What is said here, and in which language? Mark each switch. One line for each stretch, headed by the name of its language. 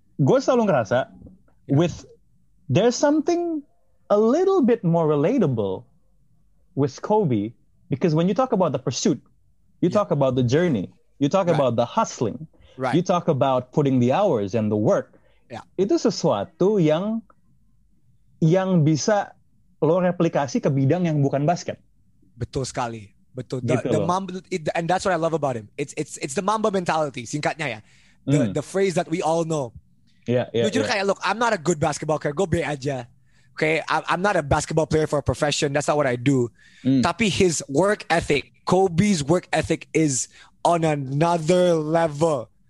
Indonesian: Gua selalu ngerasa
English: with there's something a little bit more relatable with Kobe. Because when you talk about the pursuit, you talk about the journey, you talk about the hustling, you talk about putting the hours and the work. Yeah.
Indonesian: Itu sesuatu yang bisa lo replikasi ke bidang yang bukan basket. Betul sekali. Betul.
English: The Mamba, and that's what I love about him. It's the Mamba mentality,
Indonesian: singkatnya ya.
English: The phrase that we all know.
Indonesian: Jujur,
English: look, I'm not a good basketball player. Go be aja. Okay, I'm not a basketball player for a profession. That's not what I do. Tapi his work ethic, Kobe's work ethic is on another level.